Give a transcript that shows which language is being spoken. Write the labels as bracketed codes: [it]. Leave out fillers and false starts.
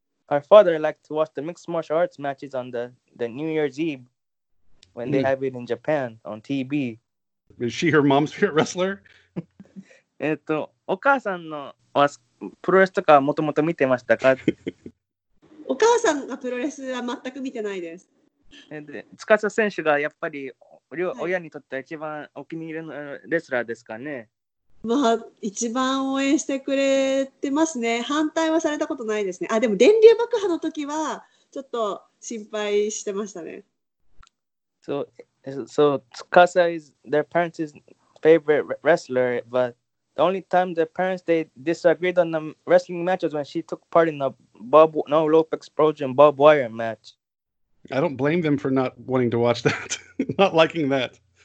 [en] Her father liked to watch the mixed martial arts matches on the New Year's Eve when they have it in Japan on TV. Is she her mom's favorite wrestler? [ja] お母さんのプロレスとか元々見てましたか?お母さんがプロレスは全く見てないです。で、塚田選手がやっぱり親にとって一番お気に入りのレスラーですかね。まあ、一番応援してくれてますね。反対はされたことないですね。あ、でも電流爆破の時はちょっと心配してましたね。 [en] So Tsukasa is their parents' favorite wrestler, but the only time the parents disagreed on the wrestling match was when she took part in the rope explosion barbed wire match. I don't blame them for not wanting to watch that, not liking that.